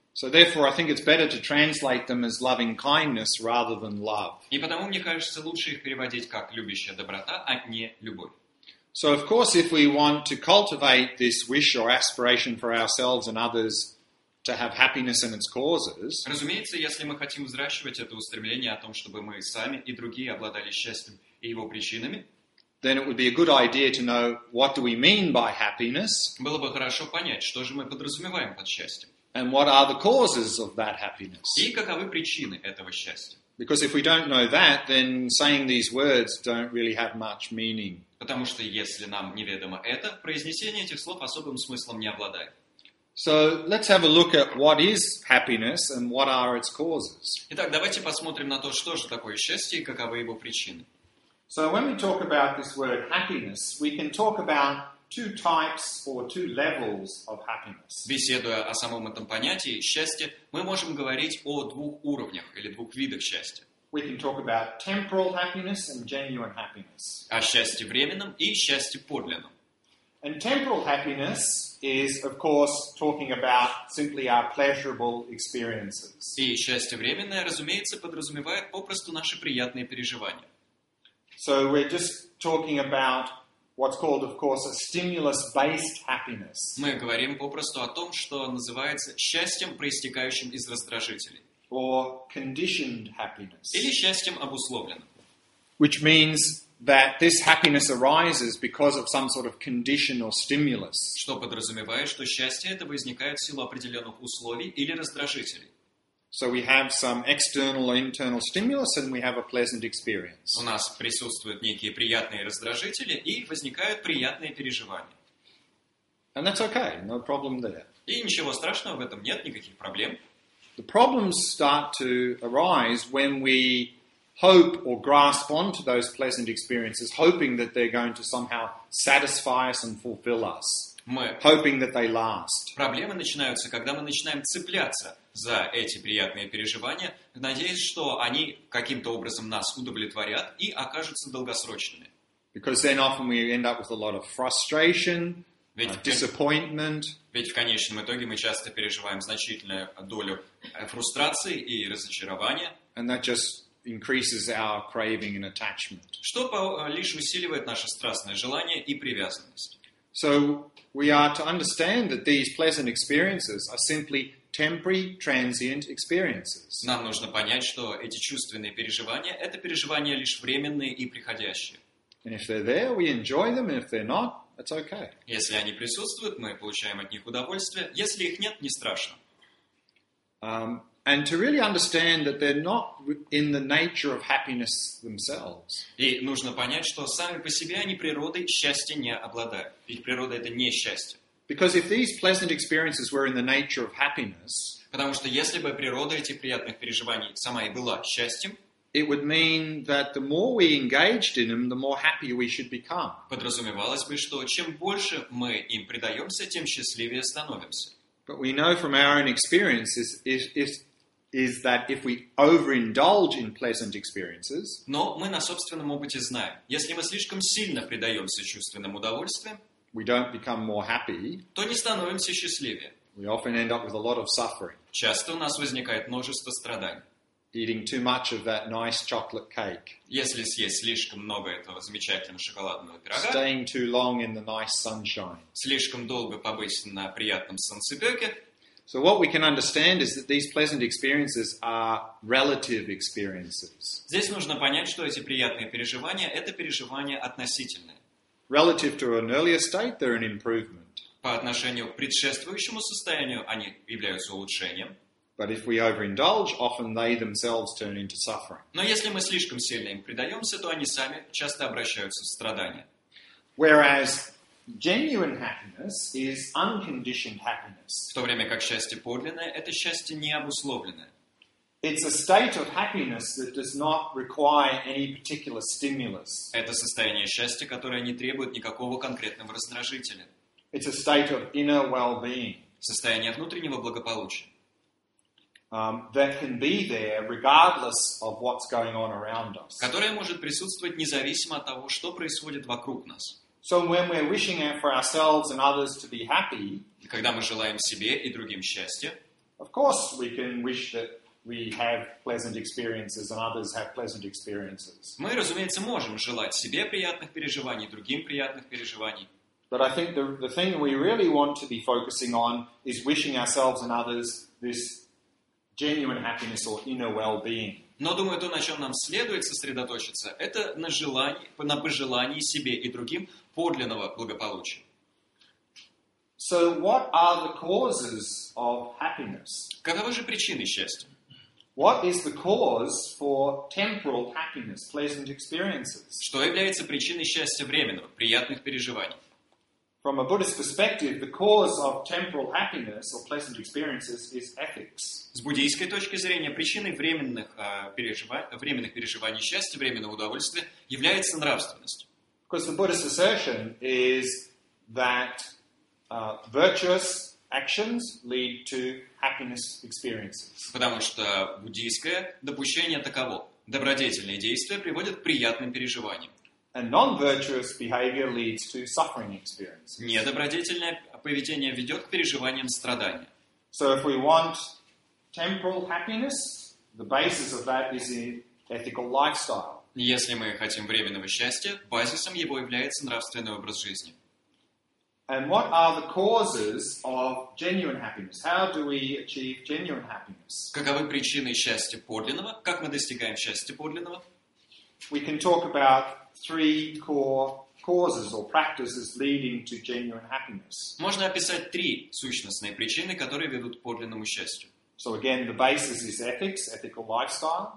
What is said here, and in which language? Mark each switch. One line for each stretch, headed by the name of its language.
English: So therefore, I think it's better to translate them as loving kindness rather than love.
Russian: И потому мне кажется лучше их переводить как любящая доброта, а не любовь.
English: So of course, if we want to cultivate this wish or aspiration for ourselves and others to have happiness and its causes.
Russian: Разумеется, если мы хотим взращивать это устремление о том, чтобы мы сами и другие обладали счастьем и его причинами.
English: Then it would be a good idea to know what do we mean by happiness.
Russian: Было бы хорошо понять, что же мы подразумеваем под счастьем.
English: And what are the causes of that happiness?
Russian: И каковы причины этого счастья?
English: Because if we don't know that, then saying these words don't really have much meaning.
Russian: Потому что если нам неведомо это, произнесение этих слов особым смыслом не обладает.
English: So let's have a look at what is happiness and what are its causes.
Russian: Итак, давайте посмотрим на то, что же такое счастье и каковы его причины.
English: So when we talk about this word happiness, we can talk about two types or two levels of happiness.
Russian: Беседуя о самом этом понятии счастья, мы можем говорить о двух уровнях или двух видах счастья.
English: We can talk about temporal happiness and genuine happiness.
Russian: О счастье временном и счастье подлинном.
English: And temporal happiness is, of course, talking about simply our pleasurable experiences.
Russian: И счастье временное, разумеется, подразумевает попросту наши приятные переживания.
English: So we're just talking about what's called, of course, a stimulus-based happiness.
Russian: Мы говорим попросту о том, что называется счастьем, проистекающим из раздражителей.
English: Or conditioned happiness.
Russian: Или счастьем обусловленным.
English: Which means that this happiness arises because of some sort of condition or stimulus.
Russian: Что подразумевает, что счастье это возникает в силу определенных условий или раздражителей.
English: So we have some external or internal stimulus and we have a pleasant experience.
Russian: У нас присутствуют некие приятные раздражители и возникают приятные переживания.
English: And that's okay, no problem there.
Russian: И ничего страшного в этом нет, никаких проблем.
English: The problems start to arise when we hope or grasp onto those pleasant experiences, hoping that they're going to somehow satisfy us and fulfill us. Hoping that they last.
Russian: Проблемы начинаются, когда мы начинаем цепляться за эти приятные переживания, надеясь, что они каким-то образом нас удовлетворят и окажутся долгосрочными.
English: Because then often we end up with a lot of frustration, disappointment.
Russian: Ведь в конечном итоге мы часто переживаем значительную долю фрустрации и разочарования.
English: And that just increases our craving and attachment.
Russian: Что лишь усиливает наше страстное желание и привязанность.
English: So we are to understand that these pleasant experiences are simply temporary, transient experiences.
Russian: Нам нужно понять, что эти чувственные переживания — это переживания лишь временные и приходящие.
English: And if they're there, we enjoy them, and if they're not, it's okay.
Russian: Если они присутствуют, мы получаем от них удовольствие. Если их нет, не страшно.
English: And to really understand that they're not in the nature of happiness themselves.
Russian: И нужно понять, что сами по себе они природой счастья не обладают. Их природа это не счастье.
English: Because if these pleasant experiences were in the nature of happiness,
Russian: потому что если бы природа этих приятных переживаний сама и была счастьем,
English: it would mean that the more we engaged in them, the more happy we should become.
Russian: Подразумевалось бы, что чем больше мы им предаемся, тем счастливее становимся.
English: But we know from our own experiences is that if we overindulge in pleasant experiences,
Russian: но мы на собственном опыте знаем, если мы слишком сильно предаемся чувственным удовольствиям,
English: we don't become more happy,
Russian: то не становимся счастливее.
English: We often end up with a lot of suffering.
Russian: Часто у нас возникает множество страданий.
English: Eating too much of that nice chocolate cake.
Russian: Если съесть слишком много этого замечательного шоколадного пирога.
English: Staying too long in the nice sunshine.
Russian: Слишком долго побыть на приятном солнцепеке.
English: So what we can understand is that these pleasant experiences are relative experiences.
Russian: Здесь нужно понять, что эти приятные переживания — это переживания относительные.
English: Relative to an earlier state, they're an improvement.
Russian: По отношению к предшествующему состоянию они являются улучшением.
English: But if we overindulge, often they themselves turn into suffering.
Russian: Но если мы слишком сильно им предаемся, то они сами часто обращаются в страдания.
English: Whereas genuine happiness is unconditioned happiness.
Russian: В то время как счастье подлинное — это счастье необусловленное.
English: It's a state of happiness that does not require any particular stimulus.
Russian: Это состояние счастья, которое не требует никакого конкретного раздражителя.
English: It's a state of inner well-being.
Russian: Состояние внутреннего благополучия.
English: That can be there regardless of what's going on around us.
Russian: Которое может присутствовать независимо от того, что происходит вокруг нас.
English: So when we're wishing for ourselves and others to be happy,
Russian: когда мы желаем себе и другим счастья,
English: of course we can wish that we have pleasant experiences and others have pleasant experiences.
Russian: Мы, разумеется, можем желать себе приятных переживаний, другим приятных переживаний.
English: But I think the thing we really want to be focusing on is wishing ourselves and others this genuine happiness or inner well-being.
Russian: Но думаю, то, на чем нам следует сосредоточиться, это на желании, на пожелании себе и другим подлинного благополучия.
English: So what are the causes of happiness?
Russian: Каковы же причины счастья?
English: What is the cause for temporal happiness, pleasant experiences?
Russian: Что является причиной счастья временного, приятных переживаний?
English: From a Buddhist perspective, the cause of temporal happiness or pleasant experiences is ethics.
Russian: С буддийской точки зрения, причиной временных переживаний счастья, временного удовольствия является нравственность.
English: Because the Buddhist assertion is that virtuous actions lead to happiness experiences.
Russian: Потому что буддийское допущение таково: добродетельные действия приводят к приятным переживаниям.
English: And non-virtuous behavior leads to suffering experiences.
Russian: Недобродетельное поведение ведет к переживаниям страдания.
English: So if we want temporal happiness, the basis of that is in ethical lifestyle.
Russian: Если мы хотим временного счастья, базисом его является нравственный образ жизни.
English: And what are the causes of genuine happiness? How do we achieve genuine happiness?
Russian: Каковы причины счастья подлинного? Как мы достигаем счастья подлинного?
English: We can talk about three core causes or practices leading to genuine happiness.
Russian: Можно описать три сущностные причины, которые ведут к подлинному счастью.
English: So again, the basis is ethics, ethical lifestyle.